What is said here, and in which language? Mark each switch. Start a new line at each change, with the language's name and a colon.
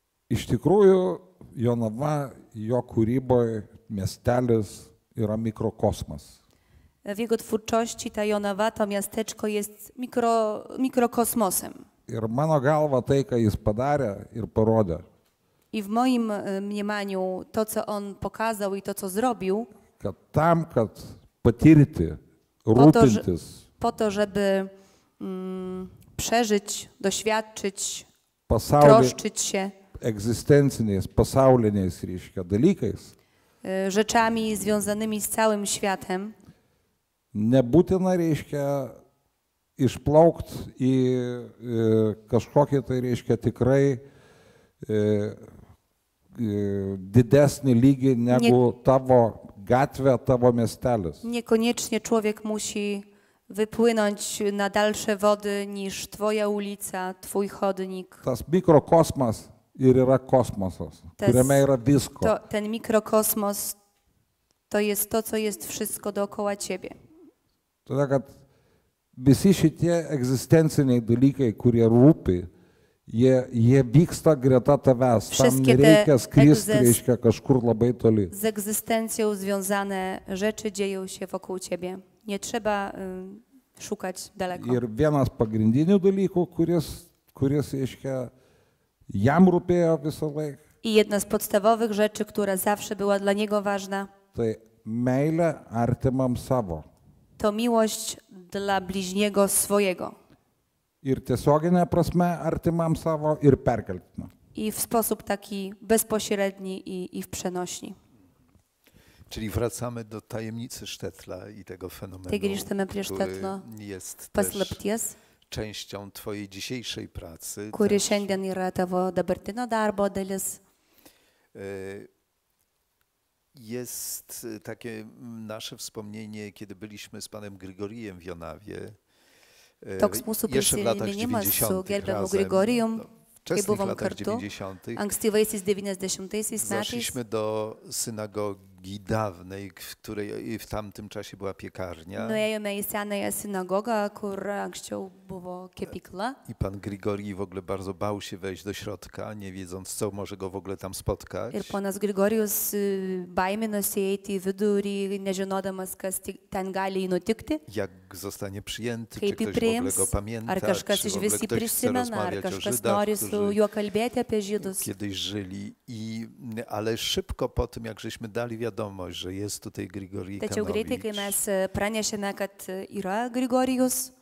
Lithuanian: Iš tikrųjų, Jonava, jo kūryboje miestelis yra mikrokosmas.
Polish: W jego twórczości ta Jonava, to miasteczko jest mikrokosmosem.
Lithuanian: Ir mano galva tai, ką jis padarė ir parodė.
Polish: I w moim mniemaniu to, co on pokazał i to, co zrobił,
Lithuanian: kad tam, kad patirti, rūpintis,
Polish: po to, żeby przeżyć, doświadczyć,
Lithuanian: pasaulį,
Polish: troszczyć się
Lithuanian: egzystencyjnymi, pasaulinės reiškia, dalykais,
Polish: rzeczami związanymi z całym światem,
Lithuanian: nebūtina reiškia išplaukt į kažkokį tai reiškia tikrai didesnį lygį negu tavo gatvė, tavo miestelis.
Polish: Niekoniecznie człowiek musi wypłynąć na dalsze wody niż twoja ulica, twój chodnik.
Lithuanian: Tas mikrokosmos ir yra kosmosas, kuriame yra visko.
Polish: To, ten mikrokosmos to jest to, co jest wszystko dookoła ciebie.
Lithuanian: To tak, kad visi šitie egzistenciniai dalykai, kurie rūpi, jie vyksta greta tavęs. Tam nereikia skristi, reiškia, kažkur labai toli.
Polish: Z egzystencją związane rzeczy dzieją się wokół ciebie. Nie trzeba szukać daleko.
Lithuanian: Ir vienas pagrindinių dalykų, kuris reiškia, jam rūpėjo visą laiką.
Polish: I jedna z podstawowych rzeczy, która zawsze była dla niego ważna.
Lithuanian: Tai meilė artimam savo.
Polish: To miłość dla bliźniego swojego.
Lithuanian: Ir tiesioginę prasme artimam savo ir perkeltinę.
Polish: I w sposób taki bezpośredni i w przenośni. Czyli wracamy do tajemnicy Sztetla i tego fenomenu, który jest też częścią twojej dzisiejszej pracy.
Lithuanian: Kuri šiandien yra tavo dabartinio darbo dalis.
Polish: Jest takie nasze wspomnienie, kiedy byliśmy z panem Grigorijem w Jonawie.
Lithuanian: Toks mūsų prisiminimas su gerbiamu Grigorijum, kai buvom kartu, ankstyvaisiais 90-aisiais metais.
Polish: Zaszliśmy do synagogi dawnej, w której w tamtym czasie była piekarnia.
Lithuanian: Nuėjome į senąją synagogą, kur anksčiau buvo kepykla.
Polish: I pan Grigorij w ogóle bardzo bał się wejść do środka, nie wiedząc, co może go w ogóle tam spotkać.
Lithuanian: Ir ponas Grigorijus baiminosi eiti į vidurį, nežinodamas, kas ten gali nutikti.
Polish: Jak zostanie przyjęty, czy ktoś prims, w ogóle go pamięta,
Lithuanian: ar kažkas
Polish: czy w ogóle ktoś
Lithuanian: prisimena, ar kažkas nori su juo kalbėti apie žydus.
Polish: Kiedyś żyli, ale szybko po tym, jak żeśmy dali wiadomość, że jest tutaj Grigorij Kanovič.
Lithuanian: Tačiau greitai, kai mes pranešėme, kad yra Grigorijus,